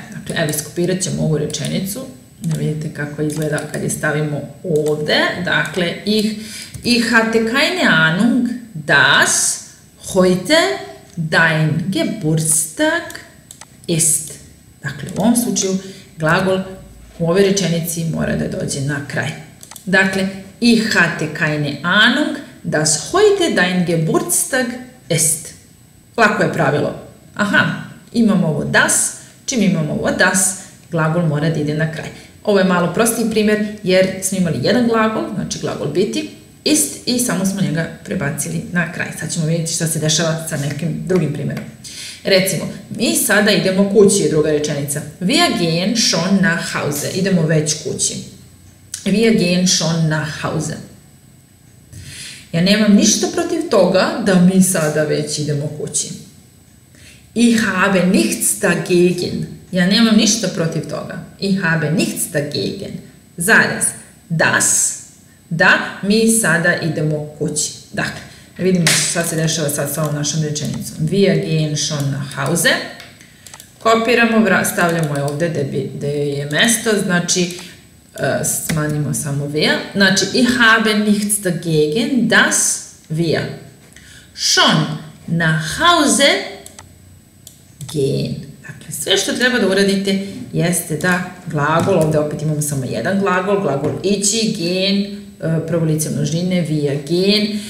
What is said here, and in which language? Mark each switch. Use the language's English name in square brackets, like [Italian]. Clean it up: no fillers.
[Serbian] Dakle, evo, iskopirat ćemo ovu rečenicu. Da vidite kako izgleda kad je stavimo ovde. Dakle, [German] ich hatte keine Ahnung, das heute dein Geburtstag ist. [Serbian] Dakle, u ovom slučaju glagol u ovoj rečenici mora da dođe na kraj. [German] Dakle, ich hatte keine Ahnung, dass heute dein Geburtstag ist. [Serbian] Lako je pravilo. Aha, imamo ovo das, čim imamo ovo das, glagol mora da ide na kraj. Ovo je malo prostiji primjer jer smo imali jedan glagol, znači glagol biti, ist, i samo smo njega prebacili na kraj. Sad ćemo vidjeti što se dešava sa nekim drugim primjerom. Recimo, mi sada idemo kući, je druga rečenica. [German] Wir gehen schon nach Hause. [Serbian] Idemo već kući. [German] Wir gehen schon nach Hause. [Serbian] Ja nemam ništa protiv toga da mi sada već idemo kući. [German] Ich habe nichts dagegen. [Serbian] Ja nemam ništa protiv toga. [German] Ich habe nichts dagegen. [Serbian] Zarez. Das. Da, mi sada idemo kući. Dakle, vidimo šta se dešava sad sa ovom našom rečenicom. [German] Wir gehen schon nach Hause. [Serbian] Kopiramo, stavljamo je ovde gde je mesto. Znači, smanjimo samo wir. Znači, [German] ich habe nichts dagegen, dass wir schon nach Hause gehen. [Serbian] Dakle, sve što treba da uradite jeste da glagol, ovde opet imamo samo jedan glagol, glagol ići, gehen, prvo lice množine, [German] wir gehen.